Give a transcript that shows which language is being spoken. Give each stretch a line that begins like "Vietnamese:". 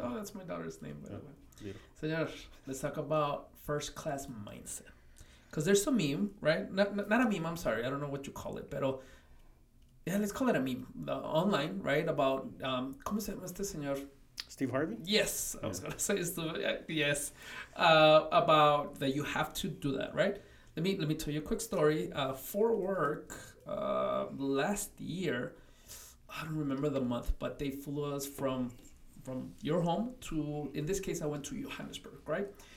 English: Oh, that's my daughter's name, by the way. Beautiful. Señor, let's talk about first class mindset. Because there's a meme, right? Not a meme, I'm sorry. I don't know what you call it.
Spanish: Pero,
English: yeah, let's call it a meme. Online, right? About,
Spanish: ¿cómo se llama este señor?
English: Steve Harvey? Yes. I was going to say Steve. Yes. About that you have to do that, right? Let me tell you a quick story. For work, last year, I don't remember the month, but they flew us from your home to, in this case, I went to Johannesburg, right?